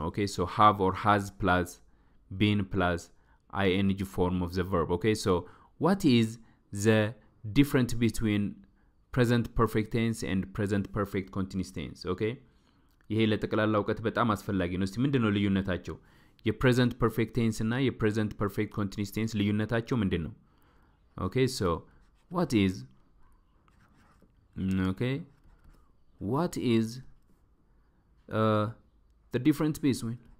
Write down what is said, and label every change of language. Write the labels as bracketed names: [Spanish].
[English] Okay, so have or has plus been plus ing form of the verb. Okay, so what is the difference between present perfect tense and present perfect continuous tense? [Amharic] Okay, ይሄ ለጠቅላላው ቀጥ በጣም አስፈላጊ ነው. እስቲ ምንድነው ልዩነታቸው? የpresent perfect tense እና የpresent perfect continuous tense ልዩነታቸው ምንድነው? [English] Okay, so what is the difference between